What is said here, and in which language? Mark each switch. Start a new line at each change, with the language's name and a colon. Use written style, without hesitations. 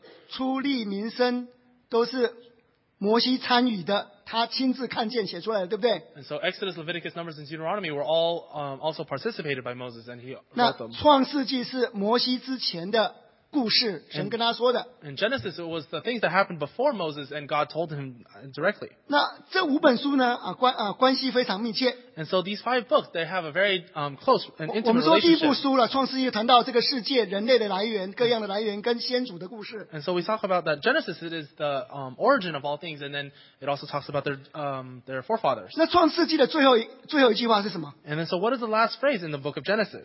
Chinese: 出立民生都是摩西参与的。他亲自看见写出来的，对不对
English: ？And so Exodus, Leviticus, Numbers, and Deuteronomy were all also participated by Moses, and he wrote them.
Chinese: 那创世纪是摩西之前的故事，神跟他说的。
English: In Genesis, it was the things that happened before Moses, and God told him directly.
Chinese: 那这五本书呢？关系非常密切。
English: And so these five books, they have a very close and intimate relationship.
Chinese: 我们说第一部书了，创世纪谈到这个世界、人类的来源、各样的来源跟先祖的故事。
English: And so we talk about that Genesis. It is the origin of all things, and then it also talks about their forefathers.
Chinese: 那创世纪的最后一句话是什么
English: ？And then, so what is the last phrase in the book of Genesis?